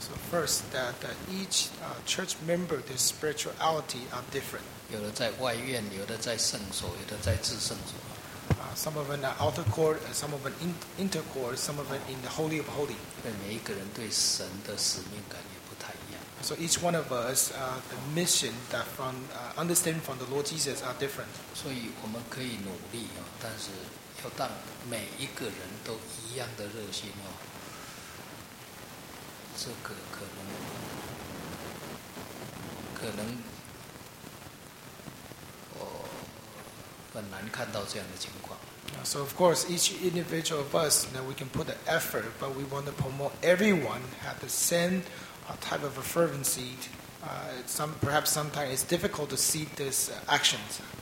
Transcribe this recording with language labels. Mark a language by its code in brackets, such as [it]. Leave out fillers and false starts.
[en] First, that each church member, their spirituality are different. [zh] 有的在外院, 有的在圣所, 有的在至圣所. [en] Some of them are outer court, some of them inter court, some of them in the Holy of Holy. [zh] 每一个人对神的使命感也不太一样. [en] So each one of us, the mission that from understand from the Lord Jesus are different. [zh] 所以我们可以努力, 但是要当每一个人都一样的热心, 这个可能我很难看到这样的情况 [en] So of course each individual of us now we can put the effort but we want to promote everyone have the same type of a fervency perhaps sometimes it's difficult to see this actions